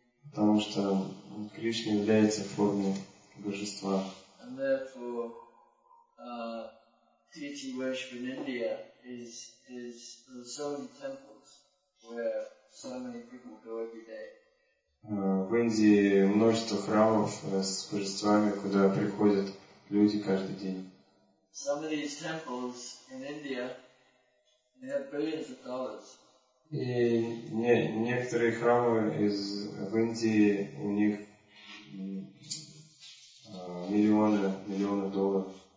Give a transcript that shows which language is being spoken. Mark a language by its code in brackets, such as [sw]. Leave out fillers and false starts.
[ru] Потому что Кришна является формой божества. [en] And therefore, deity worship in India is there are so many temples where so many people go every day. [ru] В Индии множество храмов с божествами, куда приходят люди каждый день. [en] Some of these temples in India, they have billions of dollars. [ru] И некоторые храмы в Индии у них миллионы долларов.